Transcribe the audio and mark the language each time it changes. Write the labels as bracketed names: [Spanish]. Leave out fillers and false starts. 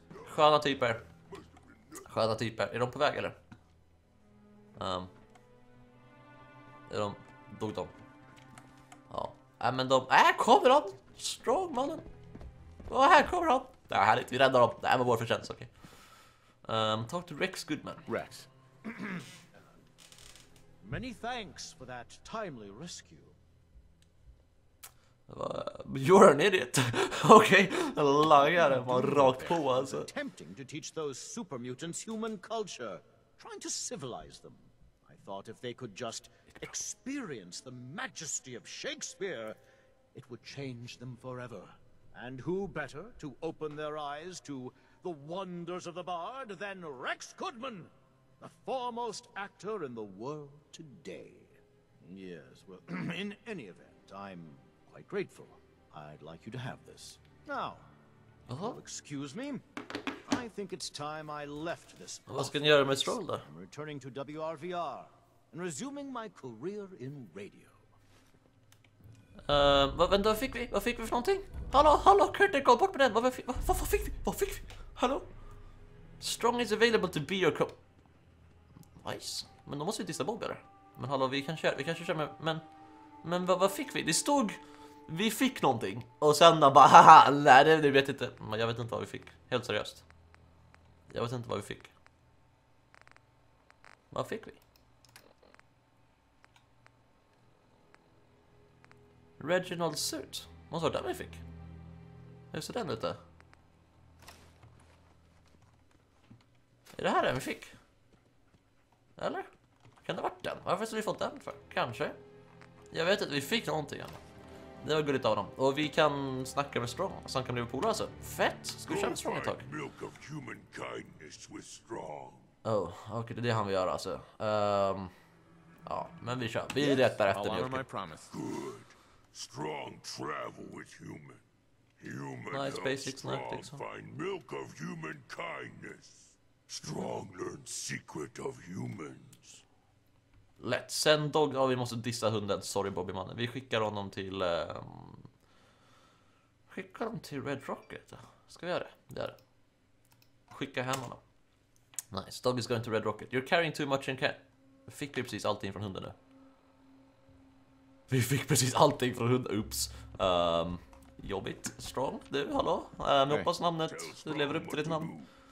[Swedish] Sköna typer. Sköna typer. Är de på väg, eller? Är de... Dog de? Ja. Nej, men de... Här kommer de! Strong, mannen! Och här kommer han! Det här är härligt, vi räddar dem. Det här var vår förtjänst, okej. [English] Talk to Rex Goodman. Rex. Many thanks for that timely rescue. You're an idiot. [Swedish] Okej, lagare var rakt på alltså. [English] Attempting to teach those super mutants human culture, trying to civilize them. I thought if they could just experience the majesty of Shakespeare, it would change them forever. And who better to open their eyes to the wonders of the bard than Rex Goodman, the foremost actor in the world today. Yes, well, in any event, I'm grateful. I'd like you to have this. Now, excuse me. I think it's time I left this. What's going to happen with Stroll, though? I'm returning to WRVR and resuming my career in radio. [Swedish] Vad fick vi? Vad fick vi för någonting? Hallå, hallå, Curtin, kom bort med den. Vad fick vi? Vad fick vi? Hallå? [English] Strong is available to be your co... Nice. [Swedish] Men då måste vi dissa bobbare. Men hallå, vi kanske kör med... Men vad fick vi? Det stod... Vi fick någonting. Och sen då bara, haha, nej, det vet inte. Men jag vet inte vad vi fick. Helt seriöst. Jag vet inte vad vi fick. Vad fick vi? Reginald suit. Måste vara den vi fick. Hur ser den ut då? Är det här den vi fick? Eller? Kan det ha varit den? Varför har vi fått den för? Kanske. Jag vet inte, vi fick någonting. Det var gulligt av dem. Och vi kan snacka med Strong. Så han kan bli polare alltså. Fett! Ska vi köra med Strong ett tag? [English] Milk of human kindness with Strong. [Swedish] Oh, okej, okay, det är det han vill göra alltså. Ja, men vi kör. Vi är rätt efter mjölken. [English] My promise. Good. Strong travel with human. Human nice helps basic Strong snack, find milk of human kindness. Strong learn secret of human. [Swedish] Lätt, sen dog, ja, vi måste dissa hunden. Sorry Bobby mannen, vi skickar honom till skickar honom till Red Rocket. Ska vi göra det? Gör det. Skicka hem honom. [English] Nice, dog is going to Red Rocket. You're carrying too much in care. [Swedish] Fick vi precis allting från hunden nu? Vi fick precis allting från hunden, oops. Jobbigt, Strong. Du, hallå, jag hoppas namnet. Du lever upp till ditt namn.